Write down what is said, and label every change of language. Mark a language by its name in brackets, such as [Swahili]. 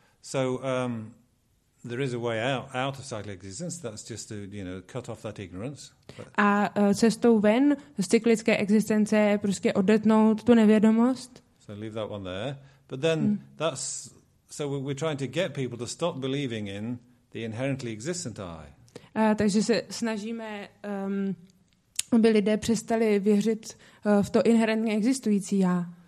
[English] So there is a way out of cyclic existence. That's just to cut off that ignorance. [Czech] A cestou ven z cyklické existence je prostě odetnout tu nevědomost. [English] So leave that one there. But then so we're trying to get people to stop believing in the inherently existent I. [Czech] Takže se snažíme, aby lidé přestali věřit v to inherentně existující já.